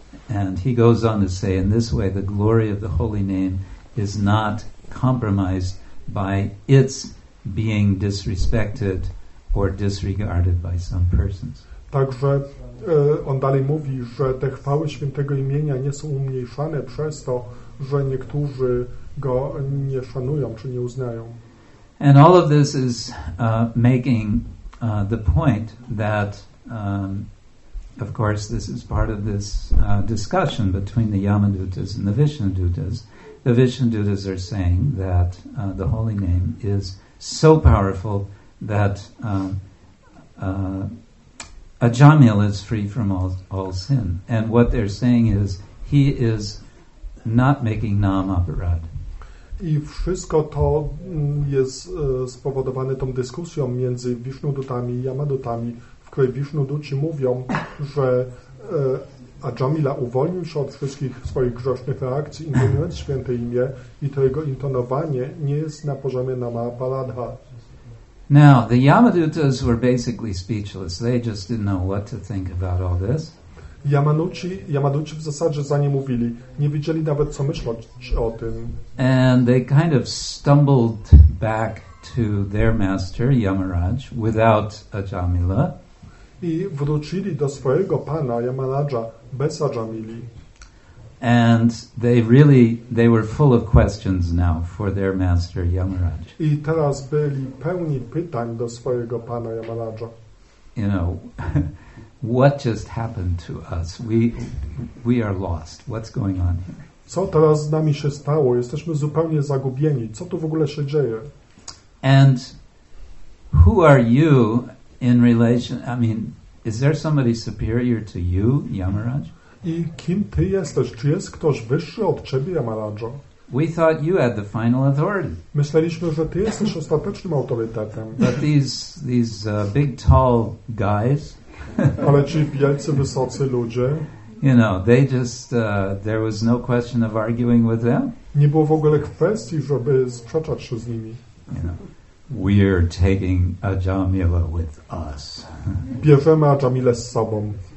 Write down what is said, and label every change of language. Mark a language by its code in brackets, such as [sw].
[en] And he goes on to say, in this way, the glory of the holy name is not compromised by its being disrespected or disregarded by some persons. [pl] Także on dalej mówi, że te chwały świętego imienia nie są umniejszane przez to, że niektórzy go nie szanują czy nie uznają. [en] And all of this is making the point that of course this is part of this discussion between the Yamadutas and the Vishnudutas. The Vishnudutas are saying that the holy name is so powerful that Ajamila is free from all sin. And what they're saying is he is not making nam aparad. [pl] I wszystko to jest spowodowane tą dyskusją między Vishnudutami i Yamadutami, w której Vishnuduci mówią, że Ajamila uwolnił się od wszystkich swoich grzesznych reakcji, intonując święte imię, i to jego intonowanie nie jest na poziomie nama aparadha. [en] Now, the Yamadutas were basically speechless. They just didn't know what to think about all this. [pl] Yamaduci w zasadzie za nie mówili. Nie wiedzieli nawet, co myśleć o tym. [en] And they kind of stumbled back to their master, Yamaraj, without Ajamila. [pl] I wrócili do swojego pana, Yamaraja, bez Ajamili. [en] And they were full of questions now for their master, Yamaraj. [pl] I teraz byli pełni pytań do swojego pana, Yamaraja. [en] You know, what just happened to us? We are lost. What's going on here? [pl] Co teraz z nami się stało? Jesteśmy zupełnie zagubieni. Co tu w ogóle się dzieje? [en] And who are you in relation? I mean, is there somebody superior to you, Yamaraj? [pl] I kim ty jesteś? Czy jest ktoś wyższy od ciebie, Yamaraja? [en] We thought you had the final authority. [pl] Myśleliśmy, że ty jesteś ostatecznym autorytetem. [en] But these big tall guys. [pl] Ale ci wielcy, wysocy ludzie. [en] You know, they just there was no question of arguing with them. [pl] Nie było w ogóle kwestii, żeby sprzeczać się z nimi. [en] You know, we're taking Ajamila with us. [pl] Bierzemy Ajamilę z sobą.